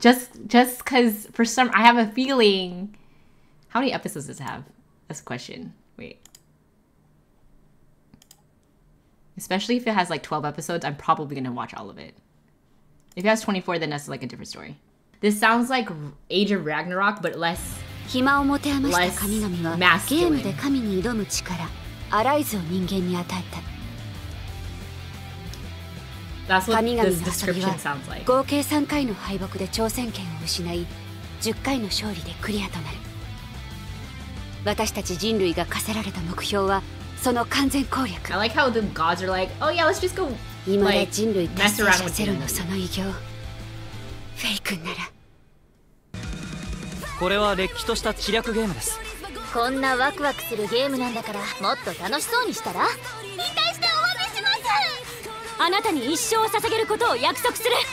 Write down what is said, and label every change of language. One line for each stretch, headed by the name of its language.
English: Just cause for some, I have a feeling. How many episodes does it have? That's a question. Wait. Especially if it has like 12 episodes, I'm probably gonna watch all of it. If it has 24, then that's like a different story. This sounds like Age of Ragnarok, but less
Japanese: 暇を持て余した神々はゲームで神に挑む力アライズを人間に与えた。神々のアサギは合計3回の敗北で挑戦権を失い、10回の勝利でクリアとなる。私たち人類が課せられた目標はその完全攻略。
English: I like how the gods are like, oh yeah, let's just go.
Japanese: 今で人類達成者ゼロのその偉業、フェイ君なら。これは歴史とした知略ゲームです。こんなワクワクするゲームなんだから、もっと楽しそうにしたら。引退してお詫びします。あなたに一生を捧げることを約束する。